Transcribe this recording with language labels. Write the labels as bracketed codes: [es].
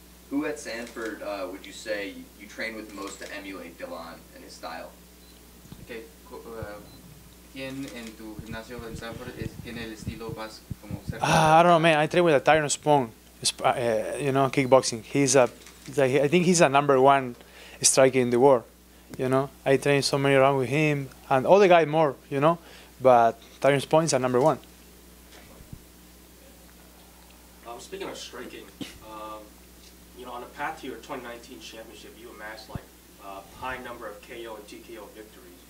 [en] Who at Sanford would you say you train with the most to emulate Dylan and his style? [es] Okay, ¿quién en tu gimnasio en Sanford tiene el estilo más como cerca? [en] I don't know, man. I train with a Tyrone Spong, kickboxing. I think he's a number one striker in the world. You know, I train so many rounds with him and all the guys more. You know, but Tyrone Spong is a number one. Speaking of striking, on the path to your 2019 championship, you amassed a high number of KO and TKO victories.